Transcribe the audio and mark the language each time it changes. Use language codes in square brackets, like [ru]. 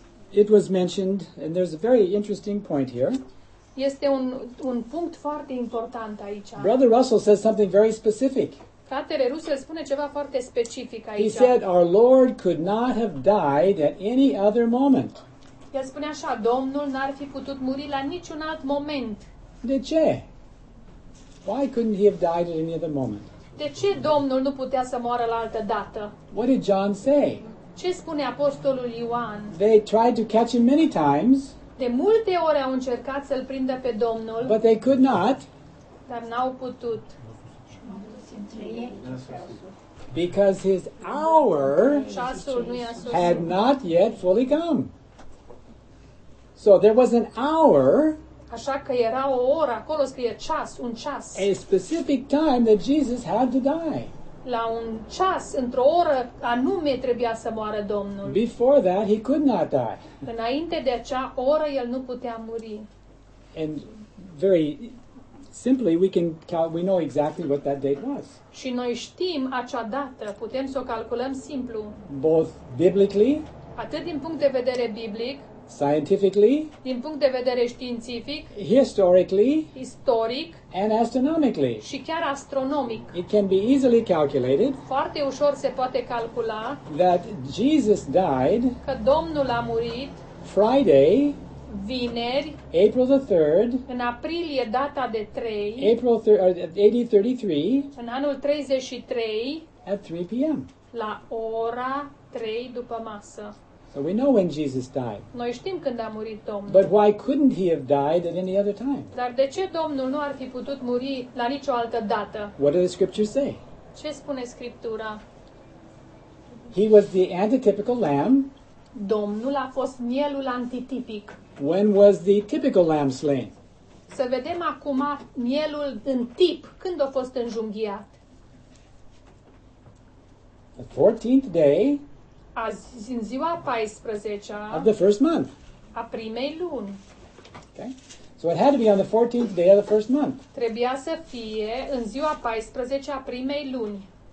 [en] It was mentioned, and there's a very interesting point here. [ro] Este un punct foarte important aici. [en] Brother Russell says something very specific. [ro] Fratele Rusel spune ceva foarte specific aici. [en] He said our Lord could not have died at any other moment. [ro] El spune așa, Domnul n-ar fi putut muri la niciun alt moment. De ce? [en] Why couldn't he have died at any other moment? [ro] De ce Domnul nu putea să moară la altă dată? [en] What did John say? [ro] Ce spune apostolul Ioan? [en] They tried to catch him many times. [ro] De multe ori au încercat să-l prindă pe Domnul. [en] But they could not. [ro] Dar n-au putut. [en] Because his hour [ro] ceasul [en] had not yet fully come. So there was an hour. [ro] Așa că era o oră, acolo scrie ceas, un ceas. [en] A specific time that Jesus had to die. [ro] La un ceas, într-o oră anume trebuia să moară Domnul. [en] Before that, he could not die. [ro] Înainte de acea oră, el nu putea muri. [en] And very simply, we know exactly what that date was. [ro] Și noi știm acea dată, putem să o calculăm simplu. [en] Both biblically, [ro] atât din punct de vedere biblic, [en] scientifically, [ro] din punct de vedere științific, [en] historically, [ro] istoric, [en] and astronomically, [ro] și chiar astronomic. [en] It can be easily calculated, [ro] foarte ușor se poate calcula, [en] that Jesus died, [ro] că Domnul a murit, [en] Friday, [ro] vineri, [en] April the 3rd, [ro] în aprilie, data de 3, [en] April AD 33, [ro] în anul 33, [en] at 3 p.m. [ro] la ora 3 după masă. [en] So we know when Jesus died. [ro] Noi știm când a murit Domnul. [en] But why couldn't he have died at any other time? [ro] Dar de ce Domnul nu ar fi putut muri la nicio altă dată? [en] What do the scriptures say? [ro] Ce spune Scriptura? [en] He was the antitypical lamb. [ro] Domnul a fost mielul antitipic. [en] When was the typical lamb slain? [ro] Să vedem acum mielul în tip când a fost înjunghiat. [en] The 14th day. [ro] Azi, în ziua 14-a, of the first month. A primei luni. [en] Okay. So it had to be on the 14th day of the first month. [ro] Trebuia să fie în ziua 14-a primei luni.